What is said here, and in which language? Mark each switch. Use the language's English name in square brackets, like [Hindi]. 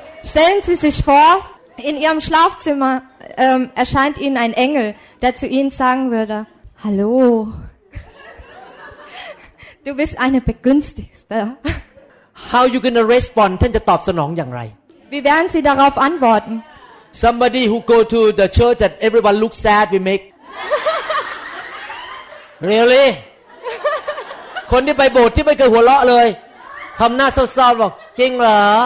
[German] Stellen Sie sich vor, in Ihrem Schlafzimmer erscheint Ihnen ein Engel, der zu Ihnen sagen würde, Hallo, du bist eine Begünstigte. [English] How you gonna respond? [Thai] ท่านจะตอบสนองอย่างไร [German] Wie werden Sie darauf antworten? [English] Somebody who go to the church that everyone looks sad, we make. Really? [Thai] คนที่ไปโบสถ์ที่ไม่เคยหัวเราะเลยทำหน้าเศร้าๆบอกจริงเหรอ